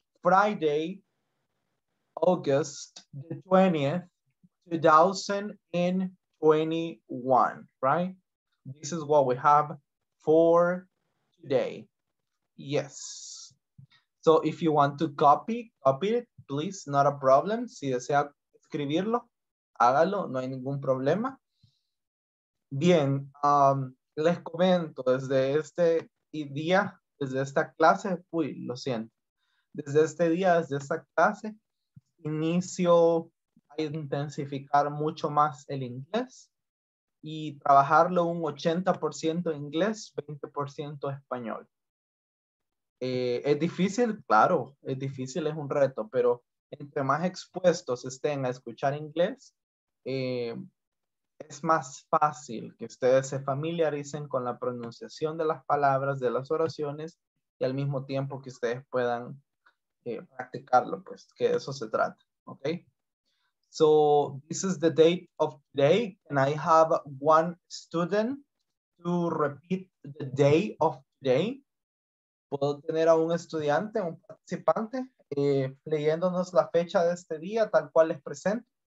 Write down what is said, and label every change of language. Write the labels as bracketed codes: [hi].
[en] Friday, August the 20th, 2021, right? This is what we have for today. Yes. So if you want to copy it, please, not a problem. [es] Si desea escribirlo, hágalo, no hay ningún problema. Bien, les comento desde este día, desde esta clase, uy, lo siento. Desde este día, desde esta clase, inicio a intensificar mucho más el inglés y trabajarlo un 80% inglés, 20% español. ¿Es difícil? Claro, es difícil, es un reto, pero entre más expuestos estén a escuchar inglés, es más fácil que ustedes se familiaricen con la pronunciación de las palabras, de las oraciones, y al mismo tiempo que ustedes puedan practicarlo, pues, que eso se trata, ¿ok? [en] So, this is the date of today, and I have one student to repeat the day of today. [es] ¿Puedo tener a un estudiante, un participante, leyéndonos la fecha de este día, tal cual les presento?